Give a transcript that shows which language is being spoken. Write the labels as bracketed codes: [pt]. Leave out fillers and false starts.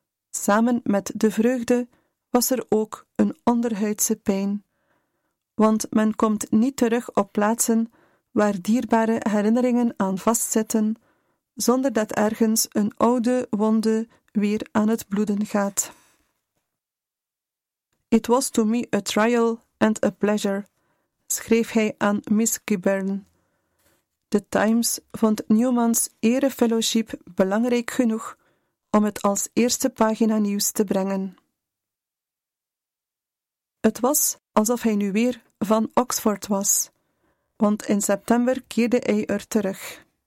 [nl] Samen met de vreugde was er ook een onderhuidse pijn, want men komt niet terug op plaatsen waar dierbare herinneringen aan vastzitten, zonder dat ergens een oude wonde weer aan het bloeden gaat. [en] "It was to me a trial and a pleasure," [nl] schreef hij aan [en] Miss Kibern. [nl] De Times vond Newman's erefellowship belangrijk genoeg om het als eerste pagina nieuws te brengen. Het was alsof hij nu weer van Oxford was, want in september keerde hij er terug.